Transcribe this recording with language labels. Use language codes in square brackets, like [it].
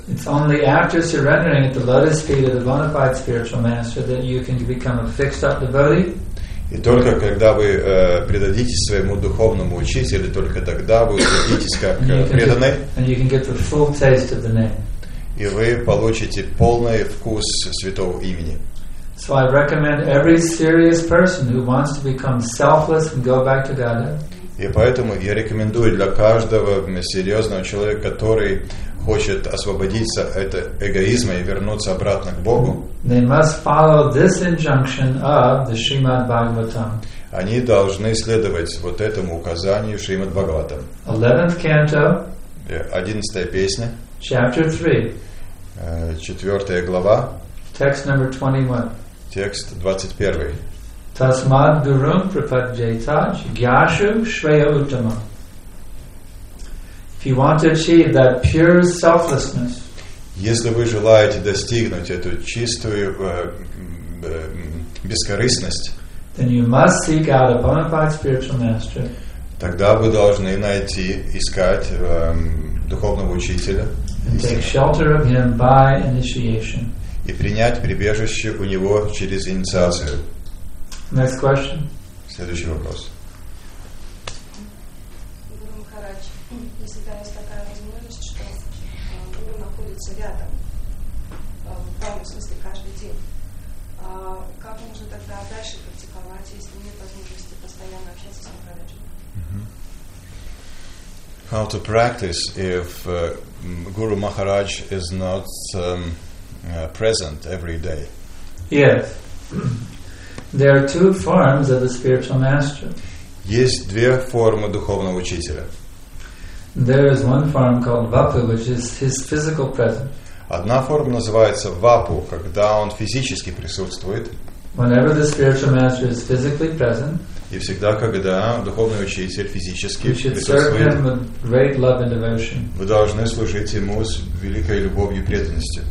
[en] It's only after surrendering at the lotus feet of the bona fide spiritual master that you can become a fixed up devotee. [ru] И только когда вы предадитесь своему духовному учителю, только тогда вы утвердитесь как преданный. [en] And you can get the full taste of the name. [ru] И вы получите полный вкус святого имени. [en] So I recommend every serious person who wants to become selfless and go back to Godhead. [ru] И поэтому я рекомендую для каждого серьезного человека, который хочет освободиться от эгоизма и вернуться обратно к Богу. [en] They must follow this injunction of the Srimad Bhagavatam. [ru] Они должны следовать вот этому указанию Шримад Бхагаватам. [en] 11th canto. [ru] 11-я песня. [en] Chapter 3. [ru] 4-я глава. [en] Text number 21. [ru] Текст 21. [sa] Tasmad gurum prapadjeta gyashu shreya uttama. [en] If you want to achieve that pure selflessness, [ru] если вы желаете достигнуть эту чистую бескорыстность, [en] then you must seek out a bona fide spiritual master. [ru] Тогда вы должны найти, искать духовного учителя. [en] And take shelter of him by initiation. [ru] И принять прибежище у него через инициацию. [en] Next question. [ru] Следующий вопрос. Гуру Махарадж, если там есть такая возможность, что гуру находится рядом, в правом смысле каждый день, как можно тогда дальше практиковать, если нет возможности постоянно общаться с Махараджем? Mm-hmm. [en] How to practice if Guru Maharaj is not present every day? Yes. There are two forms of the spiritual master. [ru] Есть две формы духовного учителя. [en] There is one form called Vapu, which is his physical presence. [ru] Одна форма называется Vapu, когда он физически присутствует. [en] Whenever the spiritual master is physically present, [ru] и всегда, когда духовный учитель физически присутствует, вы должны служить ему с великой любовью и преданностью.